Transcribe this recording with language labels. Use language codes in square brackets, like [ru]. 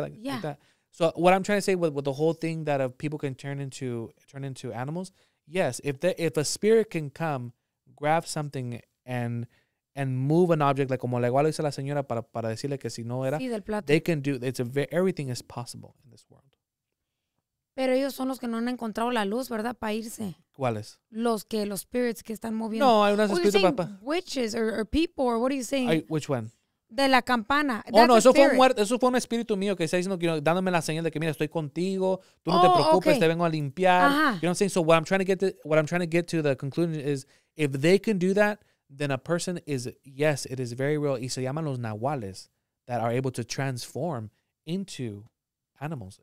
[en] Like, yeah. Like that. So what I'm trying to say with the whole thing that people can turn into animals, yes, if a spirit can come, grab something and move an object like [es] como la igual dice la señora para decirle que si no era, sí, del plato. [en] They can do. It's everything is possible in this world. [es] Pero ellos son los que no han encontrado la luz, ¿verdad? Para irse. ¿Cuáles? Los que, los spirits que están moviendo. No, hay unas espíritus, papá. [en] Witches or people, or what are you saying? Which one? [es] De la campana. [en] Oh, that's no, [es] eso fue, eso fue un espíritu mío que está diciendo, [en] you know, [es] dándome la señal de que, mira, estoy contigo, tú no te preocupes, okay, te vengo a limpiar. [en] Uh-huh. You know what I'm saying? So what I'm trying to get to, what I'm trying to get to the conclusion is, if they can do that, then a person is, yes, it is very real. [es] Y se llaman los nahuales [en] that are able to transform into animals.